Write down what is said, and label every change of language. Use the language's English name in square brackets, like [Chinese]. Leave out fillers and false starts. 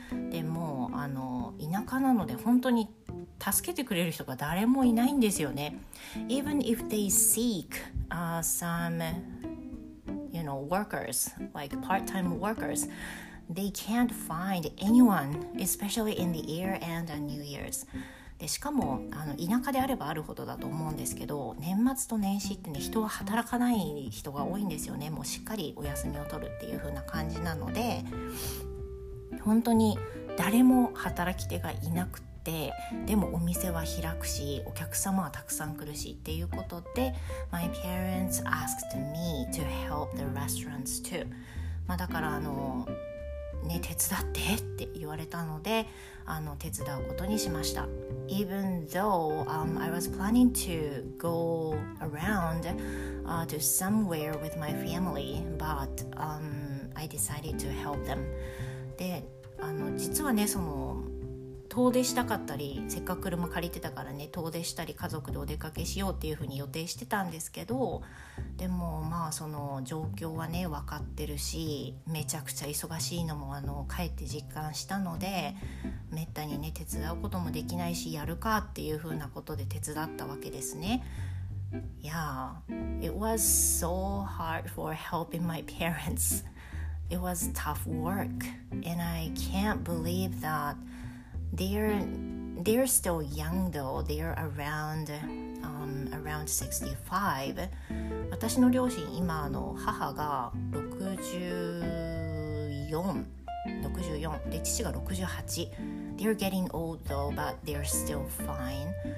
[Japanese] でも、田舎なので本当に助けてくれる人が誰もいないんですよね。 [English] Even if they seek some, you know, workers, like part-time workers, they can't find anyone, especially in the year and New Year's. [Japanese] でしかも田舎であればあるほどだと思うんですけど、年末と年始ってね、人は働かない人が多いんですよね。もうしっかりお休みを取るっていう風な感じなので、本当に誰も働き手がいなくて、でもお店は開くし、お客様はたくさん来るしっていうことで、 [English] My parents asked me to help the restaurants too. [Japanese] まあだからね、手伝ってって言われたので手伝うことにしました。 [English] Even though I was planning to go around to somewhere with my family, but I decided to help them. [Japanese] で、実はね、その遠出したかったり、せっかく車借りてたからね、遠出したり家族でお出かけしようっていう風に予定してたんですけど、でもまあその状況はね分かってるし、めちゃくちゃ忙しいのもかえって実感したので、めったにね手伝うこともできないし、やるかっていう風なことで手伝ったわけですね。 [English] Yeah, it was so hard for helping my parents. It was tough work, and I can't believe thatThey're still young though. They're around 65. [Japanese] 私の両親、今母が64で、父が68。 [English] They're getting old though, but they're still fine.